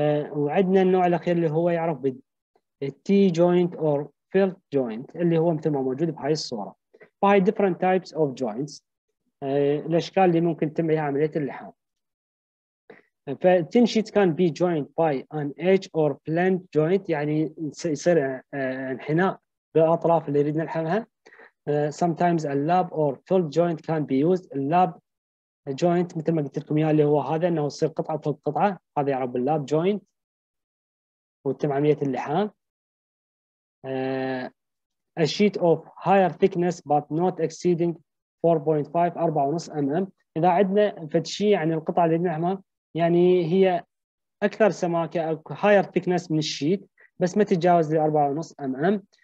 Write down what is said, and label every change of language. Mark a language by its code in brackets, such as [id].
[ar] وعندنا النوع الاخير اللي هو يعرف بالتي جوينت اور فيلت جوينت، اللي هو مثل ما موجود بهاي الصوره. فهاي ديفرنت تايبس اوف جوينتس، الاشكال اللي ممكن تتم بها عمليه اللحام. فالتين شيت كان بي جوينت باي ان ايج اور بلانت جوينت، يعني يصير انحناء بالاطراف اللي نريد نلحمها. [en] Sometimes a lab or full joint can be used. [ar] Lab joint مثل ما قلت لكم اياه، اللي هو هذا انه يصير قطعه فوق قطعه، هذا يعرف باللاب جوينت وتتم عمليه اللحام. [en] A sheet of higher thickness but not exceeding 4.5 [ar] 4.5 اذا عندنا فد شيء، يعني القطعه اللي نحمها يعني هي اكثر سماكه او higher thickness من الشيت بس ما تتجاوز ال 4.5 mm.